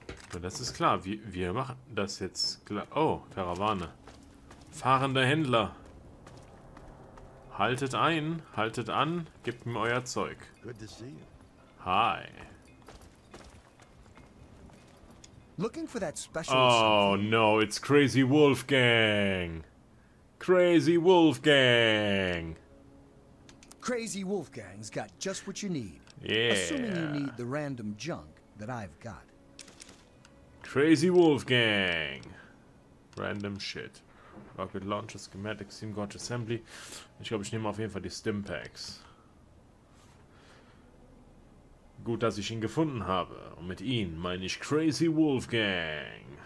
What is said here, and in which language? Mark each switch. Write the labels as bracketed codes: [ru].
[de] Aber das ist klar. Wir machen das jetzt klar. Oh, Karawane. Fahrender Händler. Haltet ein, haltet an, gebt mir euer Zeug. [en] Good to see you. Hi. Looking for that special. Oh no, it's Crazy Wolfgang. Crazy Wolfgang. Crazy Wolfgang's got just what you need. Yeah. Assuming you need the random junk that I've got. Crazy Wolfgang. Random shit. Rocket Launcher, Schematic, Steam Gorge Assembly. [de] Ich glaube, ich nehme auf jeden Fall die Stimpacks. Gut, dass ich ihn gefunden habe. Und mit ihm meine ich Crazy Wolfgang.